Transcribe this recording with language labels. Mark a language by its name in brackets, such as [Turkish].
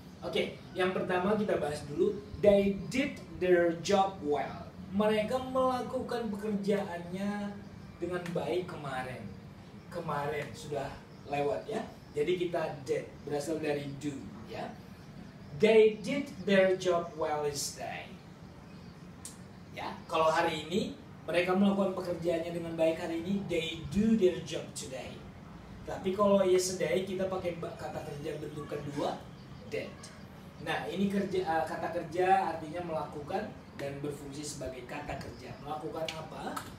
[Indonesian] Oke, yang pertama kita bahas dulu. [English] They did their job well. [Indonesian] Mereka melakukan pekerjaannya dengan baik kemarin. Kemarin sudah lewat, ya. Jadi kita did, berasal dari do, ya. [English] They did their job well yesterday. [Indonesian] Ya, kalau hari ini mereka melakukan pekerjaannya dengan baik hari ini, [English] they do their job today. [Indonesian] Tapi kalau yesterday kita pakai kata kerja bentuk kedua, did. Nah, ini kerja, kata kerja artinya melakukan dan berfungsi sebagai kata kerja. Melakukan apa?